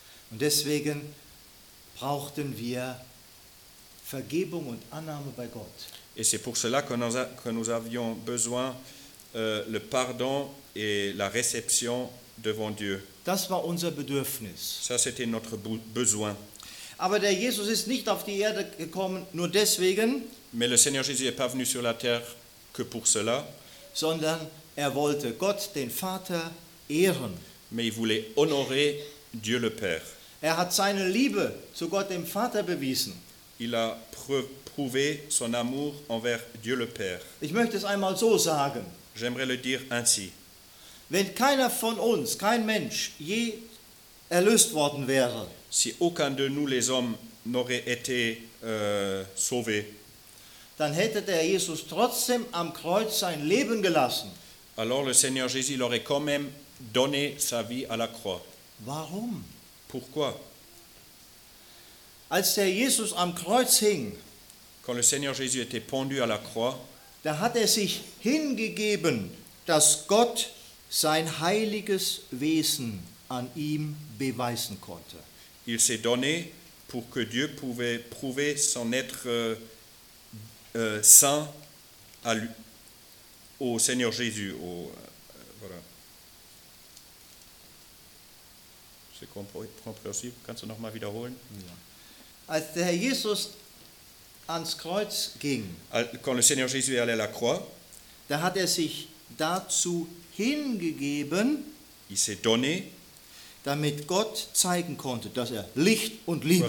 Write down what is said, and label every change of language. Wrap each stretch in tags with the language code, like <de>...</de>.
<de>Und deswegen brauchten wir Vergebung und Annahme bei Gott.</de> <fr>Et c'est pour cela que nous avions besoin le pardon et la réception devant Dieu.</fr> <de>Das war unser Bedürfnis.</de> <fr>Ça c'était notre besoin.</fr> <de>Aber der Jesus ist nicht auf die Erde gekommen nur deswegen.</de> <fr>Mais le Seigneur Jésus n'est pas venu sur la terre que pour cela.</fr> <de>Sondern er wollte Gott den Vater ehren.</de> <fr>Mais il voulait honorer Dieu le Père.</fr> <de>Er hat seine Liebe zu Gott dem Vater bewiesen.</de> <fr>Il a prouvé son amour envers Dieu le Père.</fr> <de>Ich möchte es einmal so sagen.</de> <fr>J'aimerais le dire ainsi.</fr> <de>Wenn keiner von uns, kein Mensch, je erlöst worden wäre.</de> <fr>Si aucun de nous, les hommes, n'aurait été sauvé.</fr> <de>Dann hätte der Jesus trotzdem am Kreuz sein Leben gelassen.</de> <fr>Alors le Seigneur Jésus l'aurait quand même donner sa vie à la croix.</fr> <de>Warum?</de> <fr>Pourquoi?</fr> <de>Als der Jesus am Kreuz hing,</de> <fr>quand le Seigneur Jésus était pendu à la croix,</fr> <de>da hat er sich hingegeben, dass Gott sein heiliges Wesen an ihm beweisen konnte.</de> <fr>Il s'est donné pour pour que Dieu pouvait prouver son être saint à lui, au Seigneur Jésus. Voilà. C'est compréhensible?</fr> <de>Kannst du noch mal wiederholen? Ja. Als der Herr Jesus ans Kreuz ging,</de> <fr>quand le Seigneur Jésus allait à la croix,</fr> <de>da hat sich dazu hingegeben,</de> <fr>il s'est donné,</fr> <de>damit Gott zeigen konnte, dass Licht und Liebe</de>